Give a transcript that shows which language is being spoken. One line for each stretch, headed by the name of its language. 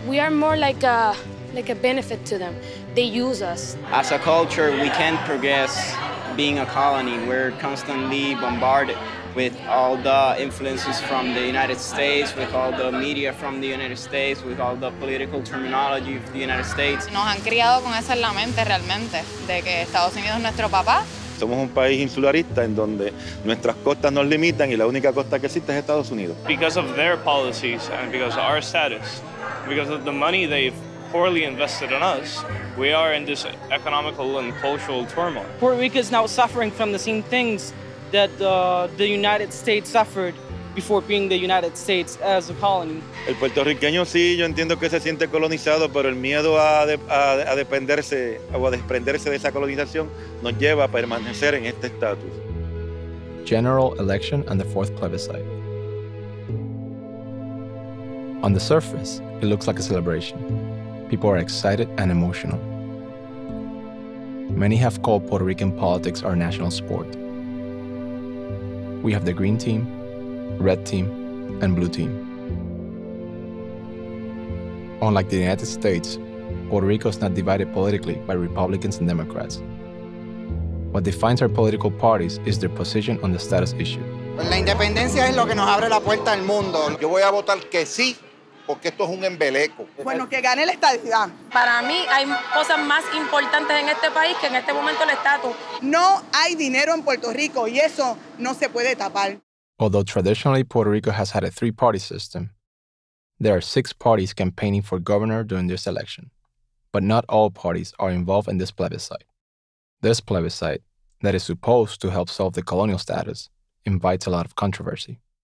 English: We are more like a benefit to them. They use us. As a culture, we can't progress being a colony. We're constantly bombarded with all the influences from the United States, with all the media from the United States, with all the political terminology of the United States.
Spanish: Nos han criado con esa en la mente realmente, de que Estados Unidos es nuestro papá. Somos un país insularista en donde nuestras costas nos limitan y la única costa que existe es Estados Unidos.
English: Because of their policies and because of our status, because of the money they've poorly invested in us, we are in this economical and cultural turmoil. Puerto Rico is now suffering from the same things that the United States suffered before being the United States as a colony.
Spanish: El puertorriqueño sí, yo entiendo que se siente colonizado, pero el miedo a dependerse o a desprenderse de esa colonización nos lleva a permanecer en este estatus.
English: General election and the fourth plebiscite. On the surface, it looks like a celebration. People are excited and emotional. Many have called Puerto Rican politics our national sport. We have the green team, red team, and blue team. Unlike the United States, Puerto Rico is not divided politically by Republicans and Democrats. What defines our political parties is their position on the status issue.
Spanish: La independencia es lo que nos abre la puerta al mundo. Yo voy a votar que sí, porque esto es un embeleco. Bueno, que gane la estadidad. Para mí hay cosas más importantes en este país que en este momento el estatus. No hay dinero en Puerto Rico y eso no se puede tapar.
English: Although traditionally Puerto Rico has had a three-party system, there are six parties campaigning for governor during this election. But not all parties are involved in this plebiscite. This plebiscite, that is supposed to help solve the colonial status, invites a lot of controversy.